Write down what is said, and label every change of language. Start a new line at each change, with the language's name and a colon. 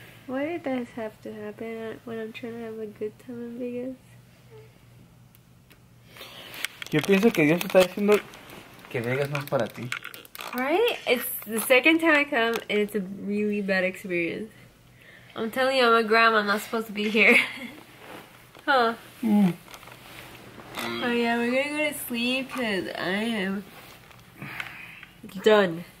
English: Why did this have to happen when I'm trying to have a good time in Vegas?
Spanish: Yo pienso que Dios está diciendo que Vegas no es para ti.
English: Right? It's the second time I come and it's a really bad experience. I'm telling you, I'm a grandma, I'm not supposed to be here. Huh? Oh yeah, we're gonna go to sleep because I am done.